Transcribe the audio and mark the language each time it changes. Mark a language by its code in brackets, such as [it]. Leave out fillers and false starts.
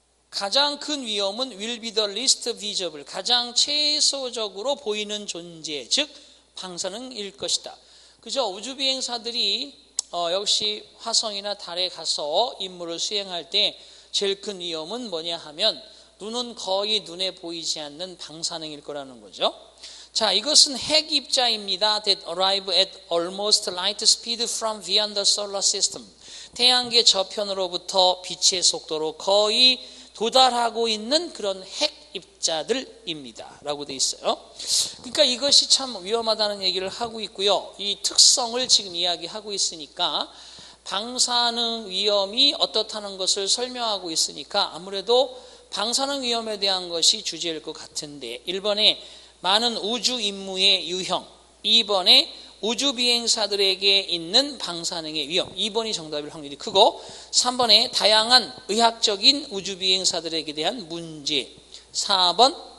[ko] 가장 큰 위험은 [en] will be the least visible, [ko] 가장 최소적으로 보이는 존재, 즉 방사능일 것이다. 그죠? 우주 비행사들이 역시 화성이나 달에 가서 임무를 수행할 때 제일 큰 위험은 뭐냐 하면 눈은 거의 눈에 보이지 않는 방사능일 거라는 거죠. 자, 이것은 핵 입자입니다. [en] That arrive at almost light speed from beyond the solar system. [ko] 태양계 저편으로부터 빛의 속도로 거의 도달하고 있는 그런 핵 입자들입니다. 라고 되어 있어요. 그러니까 이것이 참 위험하다는 얘기를 하고 있고요. 이 특성을 지금 이야기하고 있으니까 방사능 위험이 어떻다는 것을 설명하고 있으니까 아무래도 방사능 위험에 대한 것이 주제일 것 같은데 1번에 많은 우주 임무의 유형, 2번에 우주 비행사들에게 있는 방사능의 위험, 2번이 정답일 확률이 크고 3번에 다양한 의학적인 우주 비행사들에게 대한 문제, 4번